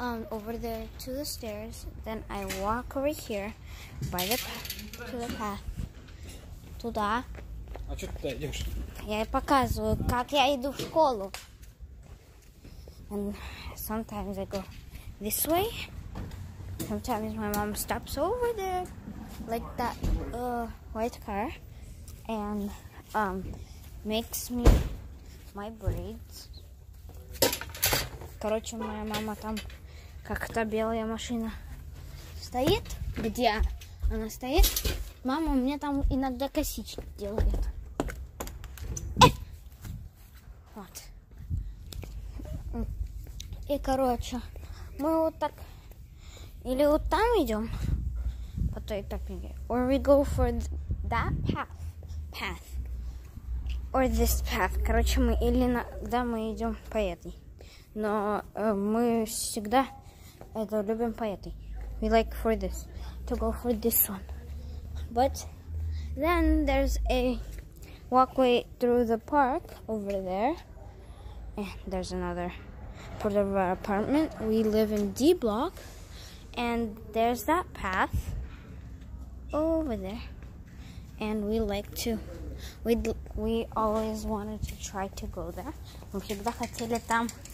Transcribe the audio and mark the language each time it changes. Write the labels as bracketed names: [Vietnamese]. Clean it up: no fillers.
[English] Over there to the stairs. Then I walk over here by the path, to the path. [Russian] Туда. А что ты туда идешь? Я показываю, как я иду в школу. [English] And sometimes I go this way. Sometimes my mom stops over there, like that white car, and makes me my braids. [Russian] Короче, моя мама там как-то белая машина стоит. Где она стоит? Мама мне там иногда косички делает. И, короче, мы вот так или вот там идем по той тропинке. [English] Or we go for that path. Or this path. [Russian] Короче, мы или иногда мы идем по этой. Но мы всегда это любим по этой. [English] We like for this. To go for this one. But then there's a walkway through the park over there. And there's another part of our apartment. We live in D block, and there's that path over there, and we always wanted to try to go there. Мы всегда хотели там